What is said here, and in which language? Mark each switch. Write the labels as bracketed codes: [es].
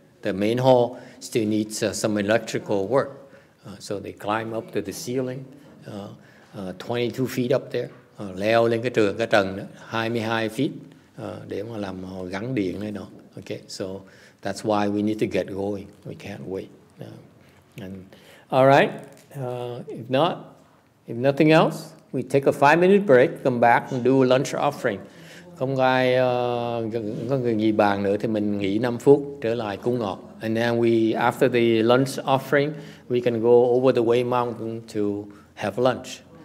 [en] The main hall still needs some electrical work. So they climb up to the ceiling, 22 feet up there, [vi] leo lên cái trường cái tầng đó, 22 feet để mà làm gắn điện này nọ. [en] Okay, so that's why we need to get going. We can't wait. And all right. If not, if nothing else, we take a 5-minute break, come back and do a lunch offering. [vi] Không ai có người nghỉ bàn nữa thì mình nghỉ 5 phút trở lại cúng ngọt. [en] And then we, after the lunch offering, we can go over the Way Mountain to have lunch.